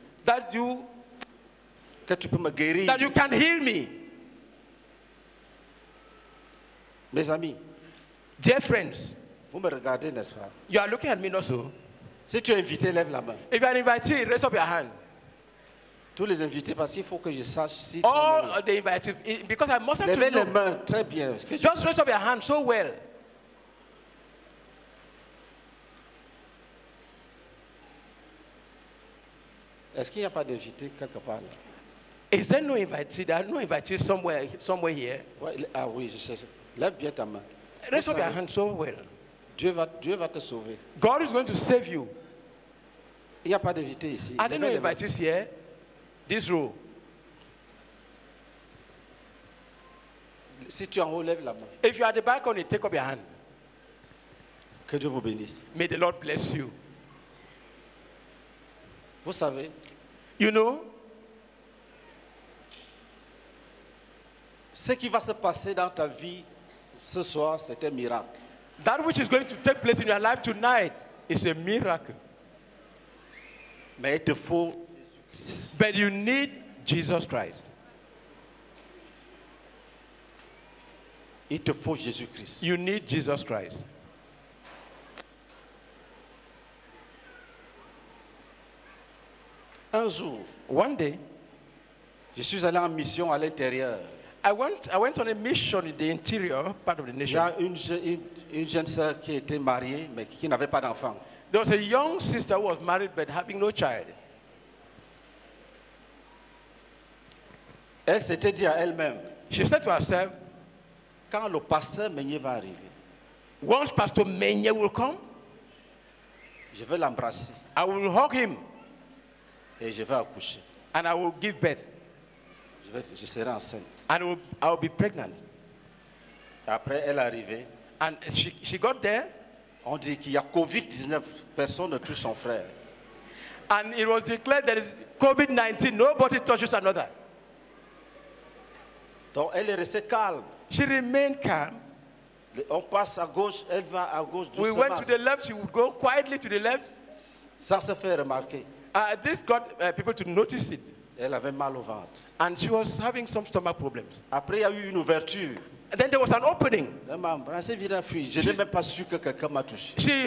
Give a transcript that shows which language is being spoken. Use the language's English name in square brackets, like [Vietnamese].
[English] That you that you can heal me. [French] Mes amis, [English] dear friends, [French] vous me regardez, n'est-ce pas? [English] You are looking at me, not so. [French] Si tu es invité, lève la main. [English] If you are invited, raise up your hand. [French] Tous les invités, parce qu'il faut que je sache si. [English] All the invited, because I must have [French] lève [English] to know. [French] Lève la main, très bien. [English] Just raise up your hand so well. [French] Est-ce qu'il n'y a pas d'invité quelque part? Là? [English] Is there no invited? There are no invited somewhere here. [French] Ouais, ah oui, je sais. Lève bien ta main. [English] Raise up your hand so well. [French] Dieu va te sauver. [English] God is going to save you. [French] Il y a pas d'invité ici. [English] Are there no invitees here? This row. [French] Si tu en haut, lève la main. [English] If you are at the back on it, take up your hand. [French] Que Dieu vous bénisse. [English] May the Lord bless you. [French] Vous savez. [English] You know. [French] Ce qui va se passer dans ta vie. Ce soir, c'est un miracle. [English] That which is going to take place in your life tonight is a miracle. [French] Mais il te faut [English] Jésus-Christ. But you need Jesus Christ. [French] Il te faut Jésus-Christ. [English] You need Jesus Christ. [French] Un jour, [English] one day, [French] je suis allé en mission à l'intérieur. [English] I went on a mission in the interior part of the nation. [French] Une jeune sœur qui était mariée mais qui n'avait pas d'enfant. [English] There was a young sister who was married but having no child. [French] Elle s'était dit à elle-même. [English] She said to herself, [French] quand le pasteur Meunier va arriver. [English] Once Pastor Meunier will come, [French] Je vais l'embrasser. [English] I will hug him. [French] Et je vais accoucher. [English] And I will give birth. [French] Je serai enceinte. [English] And I will be pregnant. [French] Après, elle est arrivée. [English] And she got there. [French] On dit qu'il y a COVID-19. Personne ne touche son frère. [English] And it was declared that COVID-19, nobody touches another. [French] Donc elle est restée calme. [English] She remained calm. [French] On passe à gauche, elle va à gauche. [English] We went to the left, she would go quietly to the left. [French] Ça se fait remarquer. [English] This got people to notice it. [French] Elle avait mal au ventre. [English] And she was having some stomach problems. [French] Après, il y a eu une ouverture. [English] And then there was an opening. She